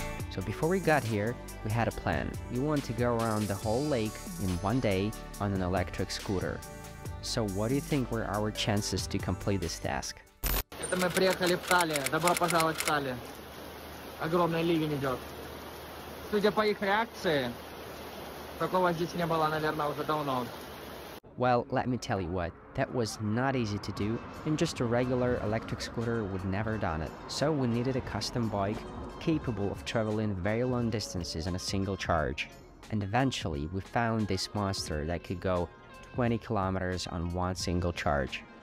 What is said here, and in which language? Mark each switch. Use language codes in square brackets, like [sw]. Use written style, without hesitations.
[en] So before we got here, we had a plan. We want to go around the whole lake in one day on an electric scooter. So what do you think were our chances to complete this task? [ru] Это мы приехали в Тали. Добро пожаловать в Тали. Огромный ливень идет. Судя по их реакции, такого здесь не было, наверное, уже давно. [en] Well, let me tell you what. That was not easy to do, and just a regular electric scooter would never done it. So we needed a custom bike capable of traveling very long distances on a single charge. And eventually we found this monster that could go 20 kilometers on one single charge.